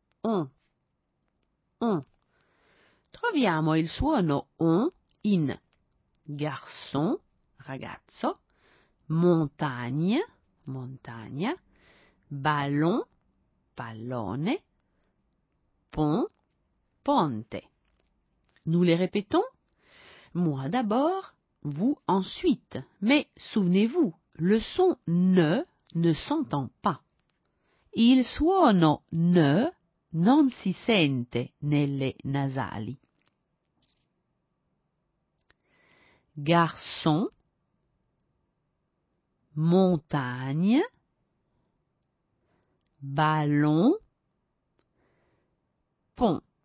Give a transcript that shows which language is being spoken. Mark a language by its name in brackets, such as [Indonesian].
[Italian] Un, un. Troviamo il suono un in garçon, ragazzo, montagne, montagna, ballon, pallone, pont, ponte. [French] Nous les répétons? Moi d'abord, vous ensuite. Mais souvenez-vous, le son ne ne s'entend pas. [Italian] Il suono ne non si sente nelle nasali. [French] Garçon, montagne, ballon, pont.